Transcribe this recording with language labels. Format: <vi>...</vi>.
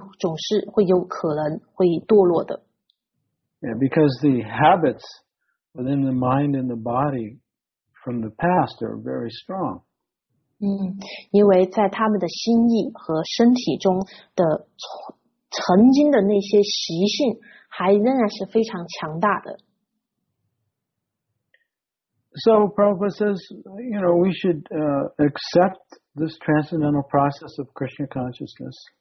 <zh>因此对于这一层面的奉献者来说，就总是会有可能会堕落的。</zh> <en>Yeah, because the habits within the mind and the body from the past are very strong.</en> <zh>因为在他们的心意和身体中的曾经的那些习性还仍然是非常强大的。</zh> <en>So Prabhupada says, you know, we should accept this transcendental process of Krishna consciousness.</en>